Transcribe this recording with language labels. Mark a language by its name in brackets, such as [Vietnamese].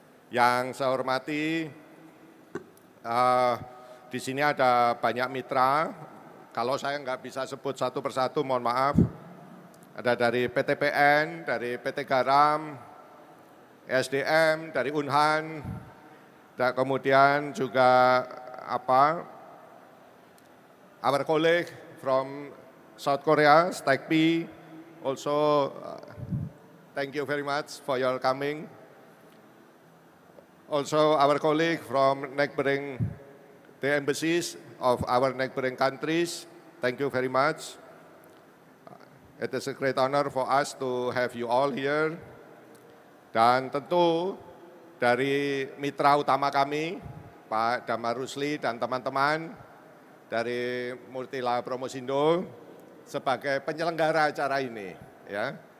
[Indonesian] Yang saya hormati, di sini ada banyak mitra. Kalau saya enggak bisa sebut satu persatu, mohon maaf. Ada dari PTPN, dari PT Garam, SDM, dari Unhan, Dan kemudian juga [English] our colleague from South Korea, Stagpi, also thank you very much for your coming. Also our colleague from neighboring the embassies of our neighboring countries, thank you very much. It is a great honor for us to have you all here. [Indonesian] Dan tentu dari mitra utama kami, Pak Damar Rusli dan teman-teman dari Multila Promosindo sebagai penyelenggara acara ini, ya.